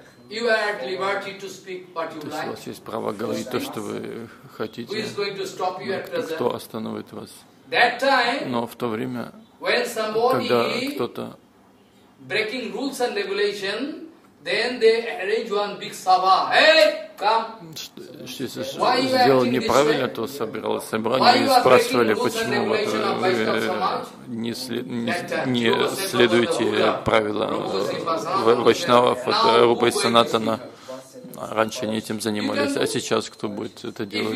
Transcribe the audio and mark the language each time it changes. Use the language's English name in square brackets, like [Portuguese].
[English] You are at liberty to speak what you like. [Russian] То есть у вас есть право говорить то, что вы хотите. [English] Who is going to stop you at present? [Russian] Кто остановит вас? [English] That time. [Russian] Но в то время, [English] when somebody [Russian] когда кто-то [English] breaking rules and regulation, then they arrange one big sabha. Hey, come. [Russian] Что если сделал неправильно, то собиралось собрание и спрашивали, почему вот вы не следуете правилам вайшнавов от Рупы и Санатана. Раньше они этим занимались, а сейчас кто будет это делать?